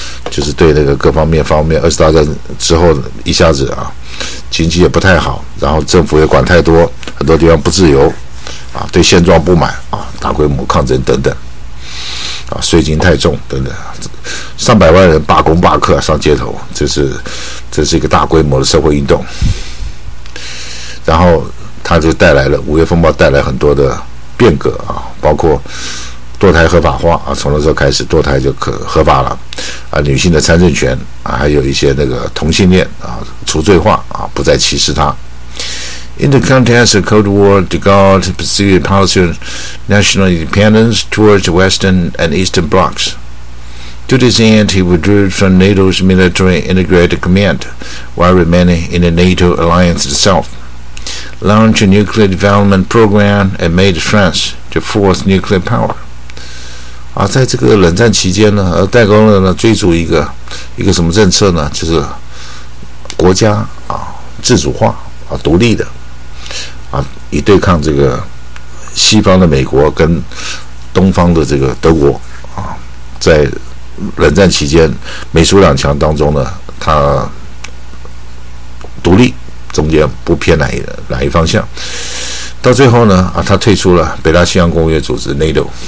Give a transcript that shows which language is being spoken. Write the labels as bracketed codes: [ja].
[zh] 就是对那个各方面方面，二次大战之后一下子啊，经济也不太好，然后政府也管太多，很多地方不自由，啊，对现状不满啊，大规模抗争等等，啊，税金太重等等，上百万人罢工罢课上街头，这是一个大规模的社会运动，然后它就带来了五月风暴，带来很多的变革啊，包括。堕胎合法化啊，从那时候开始堕胎就可合法了啊，女性的参政权啊，还有一些那个同性恋啊除罪化啊，不再歧视他。 [en] In the context of Cold War, De Gaulle pursued policy of national independence towards the Western and Eastern blocs. To this end, he withdrew from NATO's military integrated command while remaining in the NATO alliance itself, launched a nuclear development program, and made France the fourth nuclear power. [zh] 啊，在这个冷战期间呢，戴高乐呢追逐一个什么政策呢？就是国家啊自主化啊独立的啊，以对抗这个西方的美国跟东方的这个德国啊，在冷战期间美苏两强当中呢，他独立中间不偏哪一方向，到最后呢啊，他退出了北大西洋公约组织 NATO。